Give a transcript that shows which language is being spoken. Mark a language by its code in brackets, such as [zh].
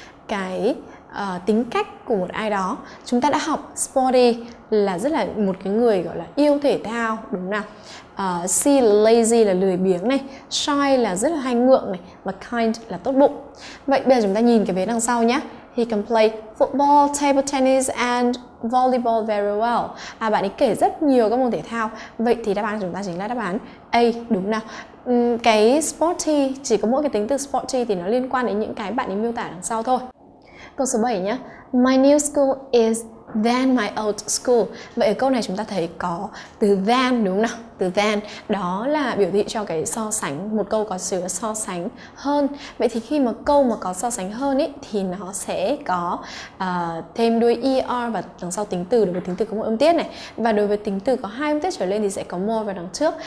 [vi] Cái tính cách của một ai đó. Chúng ta đã học sporty là rất là một cái người gọi là yêu thể thao, đúng không nào? C là lazy là lười biếng này, shy là rất là hay ngượng này, và kind là tốt bụng. Vậy bây giờ chúng ta nhìn cái vế đằng sau nhé. [en] He can play football, table tennis and volleyball very well. [vi] À, bạn ấy kể rất nhiều các môn thể thao. Vậy thì đáp án của chúng ta chính là đáp án A, đúng không nào? Cái sporty, chỉ có mỗi cái tính từ sporty thì nó liên quan đến những cái bạn ấy miêu tả đằng sau thôi. Câu số 7 nhé. [en] My new school is than my old school. [vi] Vậy ở câu này chúng ta thấy có từ than, đúng không nào? Từ than đó là biểu thị cho cái so sánh, một câu có sự so sánh hơn. Vậy thì khi mà câu mà có so sánh hơn ý, thì nó sẽ có thêm đuôi er và đằng sau tính từ. Đối với tính từ có một âm tiết này, và đối với tính từ có hai âm tiết trở lên thì sẽ có more vào đằng trước.